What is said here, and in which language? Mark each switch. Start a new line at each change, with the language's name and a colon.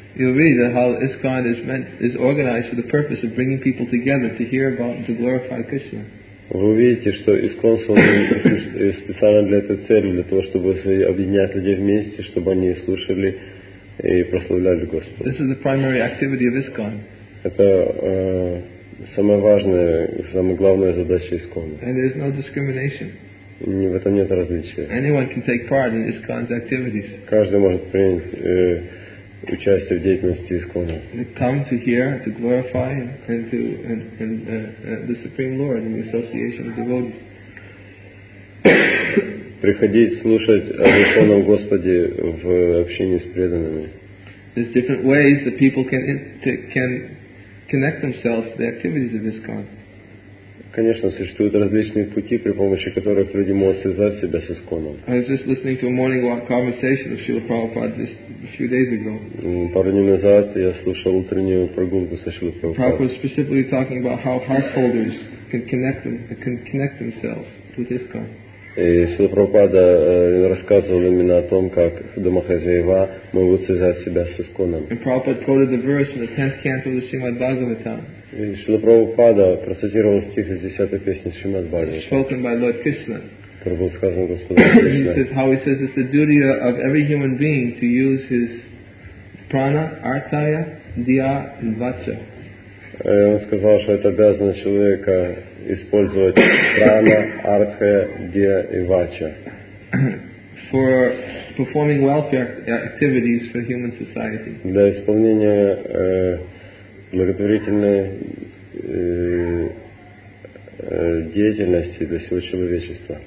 English: You'll read that how ISKCON is meant is organized for the purpose of bringing people together to hear about and to glorify Krishna.
Russian: Вы увидите, что ИСКОН создан специально для этой цели, для того, чтобы объединять людей вместе, чтобы они слушали и прославляли Господа.
English: This is the primary activity of ISKCON.
Russian: Это самая важная и самая главная задача ИСКОН.
English: And there is no discrimination.
Russian: В этом нет различия.
English: Anyone can take part in ISKCON's activities.
Russian: Каждый может принять участие в деятельности ИСКОНа.
English: They come to hear, to glorify, and to and the Supreme Lord and the association of devotees.
Russian: Приходить слушать о Верховном Господе в общении с преданными.
English: There's different ways that people can connect themselves to the activities of ISKCON.
Russian: Конечно, существуют различные пути, при помощи которых люди могут связать себя с ИСКОНом.
English: I was just listening to a morning walk conversation of Srila Prabhupada just a few days ago.
Russian: Пару дней назад я слушал утреннюю прогулку со Шрилой Прабхупадой.
English: Prabhupada was specifically talking about how householders can connect themselves with ISKCON.
Russian: И Шрила Прабхупада рассказывал именно о том, как домохозяева могут связать себя с ИСКОНом.
English: And Prabhupada quoted the verse in the 10th canto of the Srimad Bhagavatam.
Russian: Шрила Прабхупада процитировал стих из 10-й песни Шримад Бхагаватам.
English: Spoken by Lord Krishna.
Russian: Который был сказан Господом Кришной.
English: He says how he says it's the duty of every human being to use his prana, artaya, diya, and vacha.
Russian: Он сказал, что это обязанность человека использовать прана, артхая, диа и вача.
English: For performing welfare activities for human society.
Russian: Для исполнения благотворительной деятельности для всего человечества.